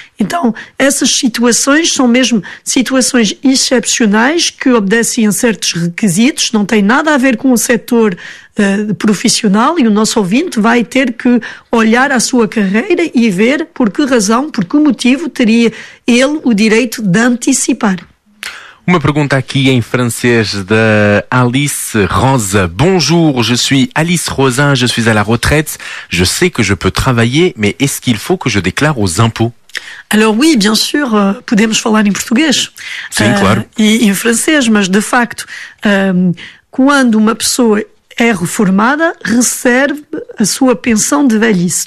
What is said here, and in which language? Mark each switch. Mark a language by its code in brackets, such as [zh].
[pt] Então, essas situações são mesmo situações excepcionais que obedecem a certos requisitos, não têm nada a ver com o setor profissional, e o nosso ouvinte vai ter que olhar a sua carreira e ver por que razão, por que motivo teria ele o direito de antecipar. Uma pergunta aqui em francês da Alice Rosa. [fr] Bonjour, je suis Alice Rosa, je suis à la retraite. Je sais que je peux travailler, mais est-ce qu'il faut que je déclare aux impôts? Alors oui, bien sûr, [pt] podemos falar em português. Sim, claro. E em francês, mas de facto, quando uma pessoa é reformada, recebe a sua pensão de velhice.